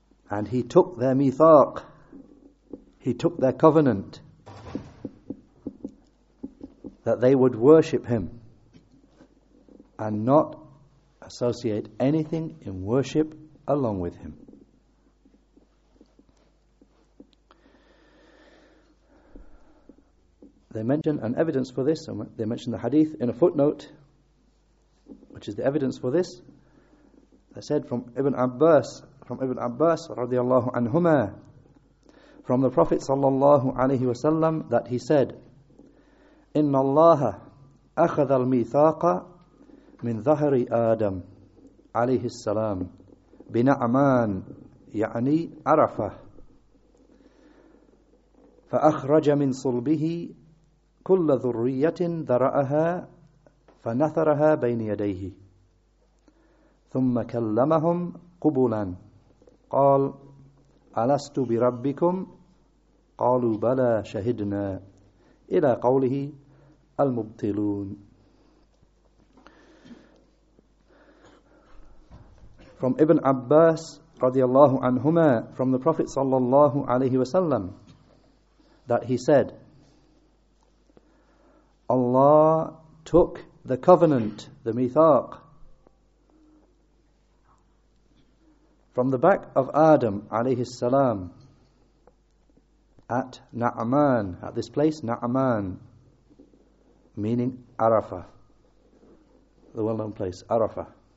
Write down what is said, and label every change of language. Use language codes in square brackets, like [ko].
[en] And he took their mithaq, he took their covenant, that they would worship him and not associate anything in worship along with him. they mention an evidence for this, and they mention the hadith in a footnote, which is the evidence for this. They said from Ibn Abbas radiallahu anhuma, from the Prophet sallallahu alayhi wa sallam, that he said, [ar] إن الله أخذ الميثاق من ظهر آدم عليه السلام بنعمان يعني عرفة فأخرج من صلبه كل ذرية ذرأها فنثرها بين يديه ثم كلمهم قبلا قال ألست بربكم قالوا بلى شهدنا إلى قوله المبطلون. [en] From Ibn Abbas radiallahu anhuma, from the Prophet sallallahu alayhi wa sallam, that he said, Allah took the covenant, the mithaq, from the back of Adam alayhi salam at Na'man, at this place, Na'man, meaning Arafah, the well-known place, Arafah.